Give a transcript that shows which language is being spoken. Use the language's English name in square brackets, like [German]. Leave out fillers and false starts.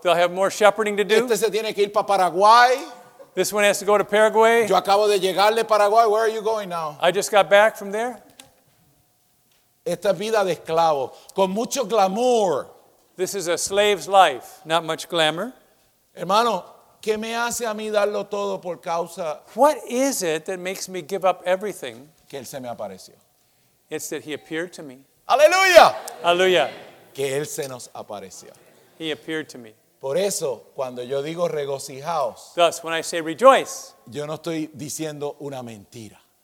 [English] They'll have more shepherding to do. [Spanish] Este se tiene que ir para Paraguay. [English] This one has to go to Paraguay. [Spanish] Yo acabo de llegarle a Paraguay. [English] Where are you going now? I just got back from there. [Spanish] Esta vida de esclavo, con mucho glamour. [English] This is a slave's life, not much glamour. [Spanish] Hermano, ¿qué me hace a mí darlo todo por causa? [English] What is it that makes me give up everything? [Spanish] Que él se me apareció. [English] It's that he appeared to me. [Spanish] Aleluya. Aleluya. Que él se nos apareció. [English] He appeared to me. [Spanish] Por eso, cuando yo digo regocijaos. [English] Thus, when I say rejoice. [Spanish] Yo no estoy diciendo una mentira.